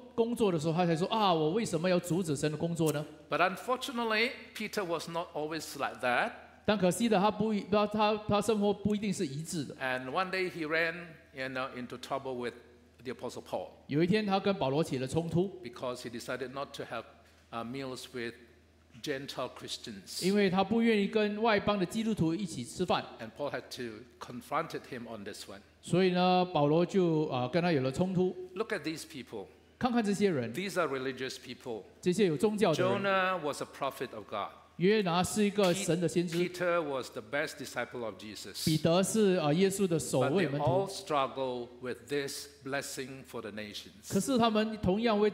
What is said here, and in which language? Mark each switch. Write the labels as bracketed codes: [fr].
[zh] 他需要哥尼流家传福音的时候，看到圣灵的工作的时候，他才说：“啊，我为什么要阻止神的工作呢？” [en] But unfortunately, Peter was not always like that. [zh] 但可惜的，他生活不一定是一致的。 [en] And one day he ran, into trouble with the Apostle Paul. [zh] 有一天，他跟保罗起了冲突。 [en] Because he decided not to have meals with Gentile Christians. [zh] 因为他不愿意跟外邦的基督徒一起吃饭。 [en] And Paul had to confront him on this one. [zh] 所以呢，保罗就跟他有了冲突。 [en] Look at these people. [zh] 看看这些人。 [en] These are religious people. [zh] 这些有宗教的人。 [en] Jonah was a prophet of God. [zh] 约拿是一个神的先知。 [en] Peter was the best disciple of Jesus. [zh] 彼得是耶稣的首位门徒。 [en] But they all struggle with this blessing for the nations.